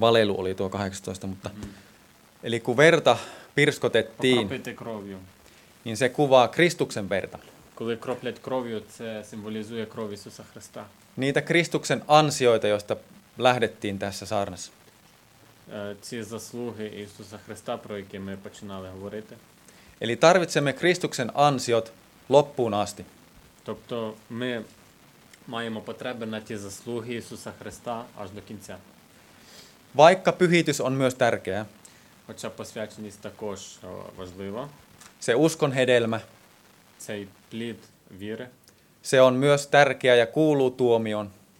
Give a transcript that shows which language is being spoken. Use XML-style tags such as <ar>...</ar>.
<fi>Valelu oli tuo 18, mutta eli kun verta pirskotettiin.</fi> <uk>Покропити кров'ю.</uk> <fi>Niin se kuvaa Kristuksen verta.</fi> <uk>Коли кроплять кров'ю, це символізує кров Ісуса Христа.</uk> <fi>Niitä Kristuksen ansioita, joista lähdettiin tässä saarnassa.</fi> <uk>Ці заслуги Ісуса Христа, про які ми починали говорити.</uk> <fi>Eli tarvitsemme Kristuksen ansiot loppuun asti.</fi> <uk>Тобто ми маємо потреби на ті заслуги Ісуса Христа аж до кінця.</uk> <fi>Vaikka pyhitys on myös tärkeä.</fi> <uk>Хоча посвяченість також важлива.</uk> <fi>Se uskon hedelmä. Se plid vire. Se on myös tärkeä ja kuuluu tuomion.</fi>